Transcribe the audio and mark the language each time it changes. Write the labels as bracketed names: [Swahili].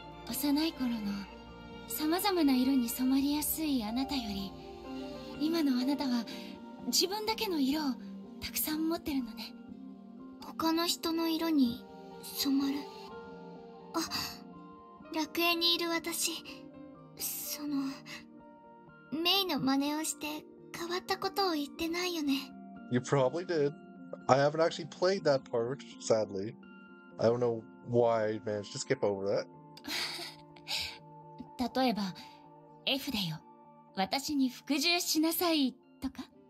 [Japanese] 幼い頃の様々な色に染まりやすいあなたより、今のあなたは自分だけの色をたくさん持ってるのね。他の人の色に染まる。あ、楽園にいる私、そのメイの真似をして変わったことを言ってないよね。 [English] You probably did. I haven't actually played that part, sadly. I don't know why I managed to skip over that. [Japanese] 例えば F だよ、私に服従しなさいとか。